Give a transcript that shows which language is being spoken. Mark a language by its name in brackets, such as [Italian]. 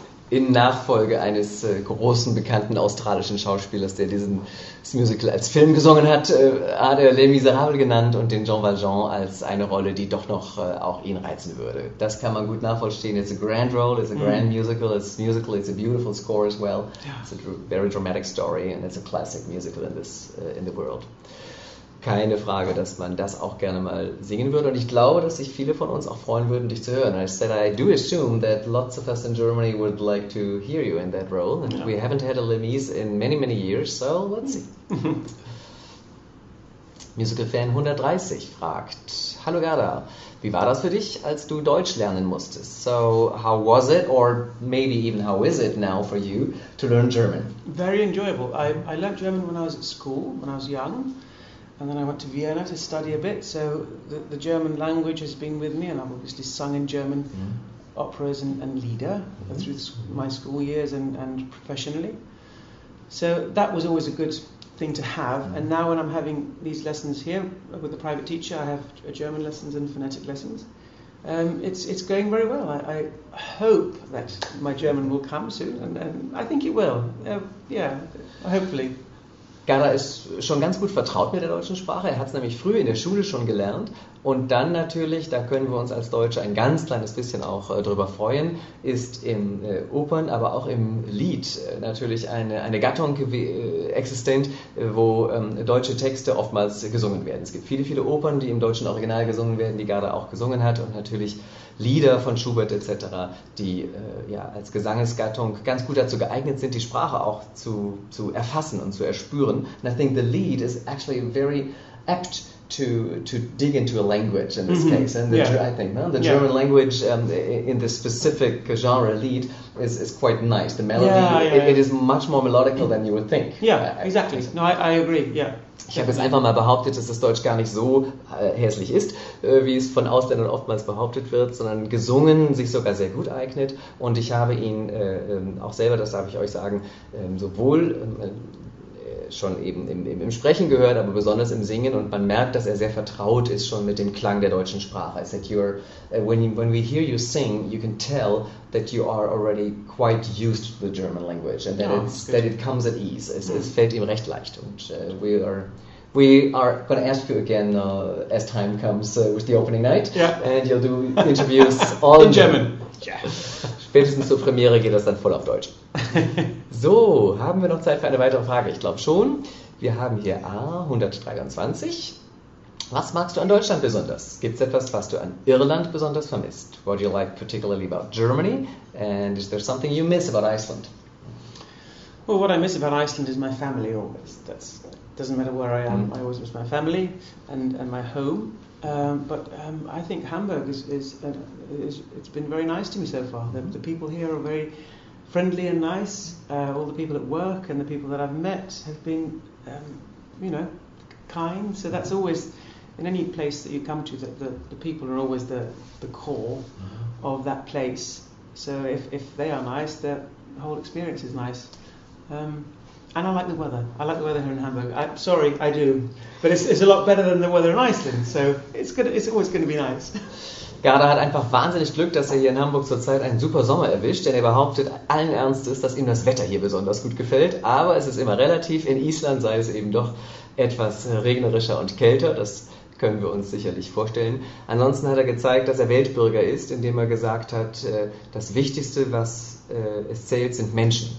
[German] In Nachfolge eines großen, bekannten australischen Schauspielers, der dieses Musical als Film gesungen hat, hat er Les Misérables genannt und den Jean Valjean als eine Rolle, die doch noch auch ihn reizen würde. Das kann man gut nachvollziehen. [English] It's a grand role, it's a grand musical, it's a musical, it's a beautiful score as well. Yeah. It's a very dramatic story and it's a classic musical in this in the world. [German] Keine Frage, dass man das auch gerne mal singen würde. Und ich glaube, dass sich viele von uns auch freuen würden, dich zu hören. [English] I said, I do assume that lots of us in Germany would like to hear you in that role. And we haven't had a Les Mis in many, many years, so let's see. [German] Musical-Fan 130 fragt, hallo Gerda, wie war das für dich, als du Deutsch lernen musstest? [English] So, how was it, or maybe even how is it now for you, to learn German? Very enjoyable. I learned German when I was at school, when I was young. And then I went to Vienna to study a bit, so the German language has been with me, and I've obviously sung in German operas and Lieder through my school years and professionally. So that was always a good thing to have, and now when I'm having these lessons here with a private teacher, I have German lessons and phonetic lessons. It's going very well. I hope that my German will come soon, and I think it will, hopefully. [German] Gerda ist schon ganz gut vertraut mit der deutschen Sprache. Er hat es nämlich früh in der Schule schon gelernt. Und dann natürlich, da können wir uns als Deutsche ein ganz kleines bisschen auch drüber freuen, ist im Opern, aber auch im Lied natürlich eine Gattung existent, wo deutsche Texte oftmals gesungen werden. Es gibt viele, viele Opern, die im deutschen Original gesungen werden, die Gerda auch gesungen hat. Und natürlich Lieder von Schubert etc., die als Gesangesgattung ganz gut dazu geeignet sind, die Sprache auch zu erfassen und zu erspüren. [English] And I think the lead is actually very apt to dig into a language in this case. And the German language in this specific genre lead is quite nice. The melody, it is much more melodical than you would think. Yeah, exactly. No, I agree, [German] Ich habe jetzt einfach mal behauptet, dass das Deutsch gar nicht so hässlich ist, wie es von Ausländern oftmals behauptet wird, sondern gesungen sich sogar sehr gut eignet. Und ich habe ihn auch selber, das darf ich euch sagen, sowohl schon eben im Sprechen gehört, aber besonders im Singen. Und man merkt, dass er sehr vertraut ist schon mit dem Klang der deutschen Sprache. [English] I said, when we hear you sing, you can tell that you are already quite used to the German language and that, that it comes at ease. [German] Es fällt ihm recht leicht. Und [English] we are going to ask you again as time comes with the opening night. Yeah. And you'll do interviews all in German. [German] Spätestens zur Premiere geht das dann voll auf Deutsch. So, haben wir noch Zeit für eine weitere Frage? Ich glaube schon. Wir haben hier A123. Was magst du an Deutschland besonders? Gibt es etwas, was du an Irland besonders vermisst? [English] What do you like particularly about Germany? And is there something you miss about Iceland? Well, what I miss about Iceland is my family always. That's, doesn't matter where I am, I always miss my family and my home. I think Hamburg is it's been very nice to me so far. The people here are very friendly and nice. All the people at work and the people that I've met have been, kind. So that's always, in any place that you come to, the people are always the core of that place. So if they are nice, the whole experience is nice. And I like the weather. I like the weather here in Hamburg. I do. But it's a lot better than the weather in Iceland. So it's always going to be nice. [German] Gerda hat einfach wahnsinnig Glück, dass er hier in Hamburg zurzeit einen super Sommer erwischt, denn er behauptet allen Ernstes, dass ihm das Wetter hier besonders gut gefällt. Aber es ist immer relativ. In Island sei es eben doch etwas regnerischer und kälter. Das können wir uns sicherlich vorstellen. Ansonsten hat er gezeigt, dass er Weltbürger ist, indem er gesagt hat, das Wichtigste, was es zählt, sind Menschen.